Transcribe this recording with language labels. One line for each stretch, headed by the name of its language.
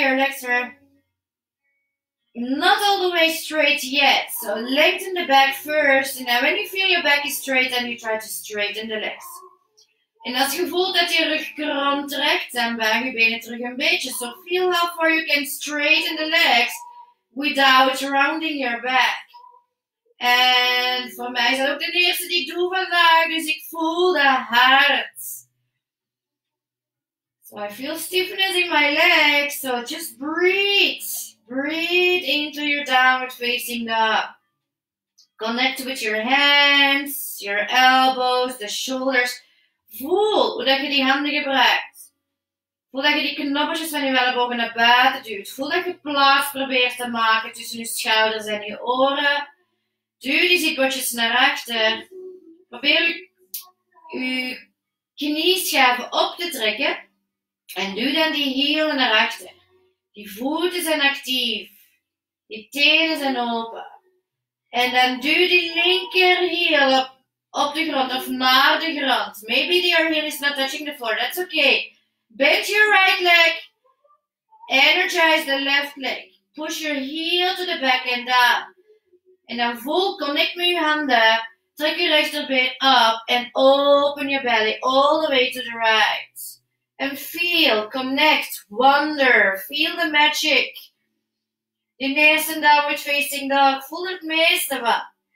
English: Your legs are not all the way straight yet. So lengthen the back first. And now when you feel your back is straight, then you try to straighten the legs.
Dutch: En als je voelt dat je rug krom trekt, dan buig je benen terug een beetje.
English: So feel how far you can straighten the legs without rounding your back.
Dutch: En voor mij is dat ook de eerste die ik doe vandaag. Dus ik voel de hart.
English: So I feel stiffness in my legs. So just breathe. Breathe into your downward facing dog. Connect with your hands, your elbows, the shoulders.
Dutch: Voel hoe dat je die handen gebruikt. Voel dat je die knoppetjes van je ellebogen naar buiten duwt. Voel dat je plaats probeert te maken tussen je schouders en je oren. Duw die zitbotjes naar achter. Probeer je knieschijven op te trekken. En duw dan die hielen naar achter. Die voeten zijn actief. Die tenen zijn open. En dan duw die linker heel op de grond of naar de grond.
English: Maybe your heel is not touching the floor. That's okay. Bend your right leg. Energize the left leg. Push your heel to the back and down.
Dutch: En dan voel, connect met je handen. Trek je rechterbeen
English: up en open your belly all the way to the right. And feel, connect, wonder. Feel the magic.
Dutch: Je neus en downward facing dog. Voel het meeste van.